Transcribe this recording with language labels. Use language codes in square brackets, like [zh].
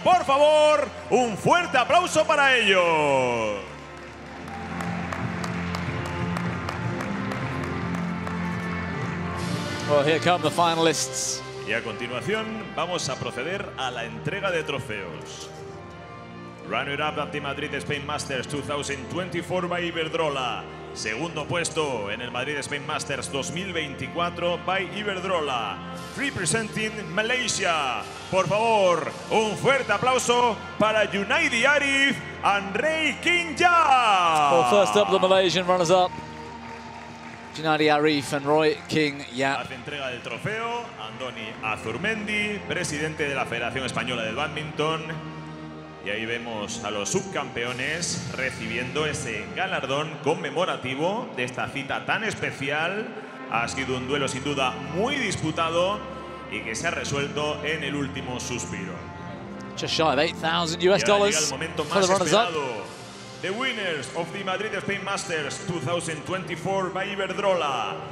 [es] Por favor, un fuerte aplauso para ellos. [en] Well, here come the finalists. [es] Y a continuación, vamos a proceder a la entrega de trofeos. [en] runner-up of the Madrid Spain Masters 2024 by Iberdrola. [es] Segundo puesto en el Madrid Spain Masters 2024 by Iberdrola. [en] Representing Malaysia. [es] Por favor, un fuerte aplauso para Junaidi Arif and Ray Kinja. [en] Well, first up, the Malaysian runners-up. Junaidi Arif and Roy King Yap. [es] Hace entrega del trofeo Andoni Azurmendi, presidente de la Federación Española del Badminton. Y ahí vemos a los subcampeones recibiendo ese galardón conmemorativo de esta cita tan especial. Ha sido un duelo sin duda muy disputado y que se ha resuelto en el último suspiro. [en] Just shy of $8,000 for the runners-up. The winners of the Madrid Spain Masters 2024 by Iberdrola.